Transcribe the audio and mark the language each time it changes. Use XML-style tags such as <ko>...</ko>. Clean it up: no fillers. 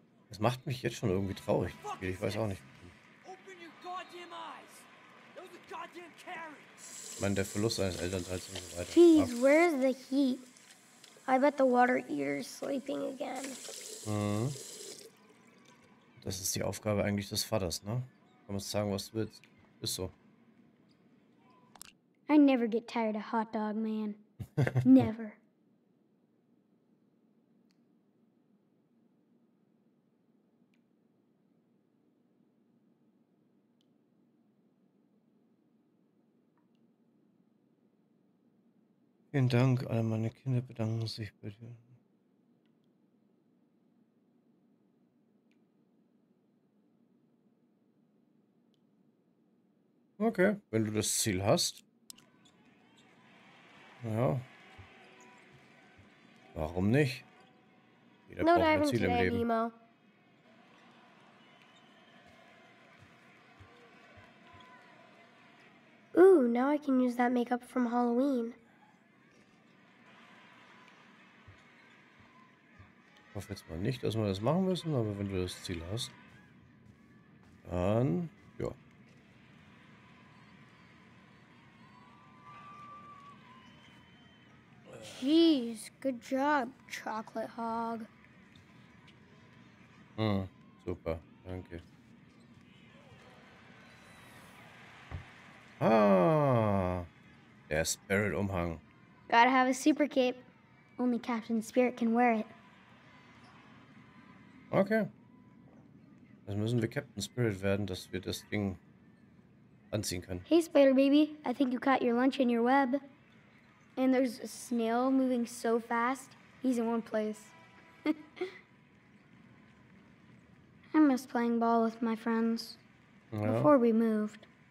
<de>Das macht mich jetzt schon irgendwie traurig. Ich weiß auch nicht. Der Verlust eines Elternteils und so weiter.</de> <en>Jeez, where's the heat? I bet the water eater is sleeping again.</en> <de>Das ist die Aufgabe eigentlich des Vaters, ne? Kann man sagen, was du willst. Ist so.</de> <en>I never get tired of hot dog, man. Never.</en> <de>Vielen Dank, alle meine Kinder bedanken sich bei dir. Okay, wenn du das Ziel hast. Ja. Warum nicht? Jeder braucht ein Ziel im Leben.</de> <en>Ooh, now I can use that makeup from Halloween.</en> <de>Ich hoffe jetzt mal nicht, dass wir das machen müssen, aber wenn du das Ziel hast, dann ja.</de> <en>Jeez, good job, Chocolate Hog.</en> <de>Super, danke. Ah, der Spirit-Umhang.</de> <en>Gotta have a super cape. Only Captain Spirit can wear it.</en> <de>Okay. Also müssen wir Captain Spirit werden, dass wir das Ding anziehen können.</de> <en>Hey, Spider Baby. I think you caught your lunch in your web. And there's a snail moving so fast. He's in one place. I miss playing ball with my friends. Ja. Before we moved.</en>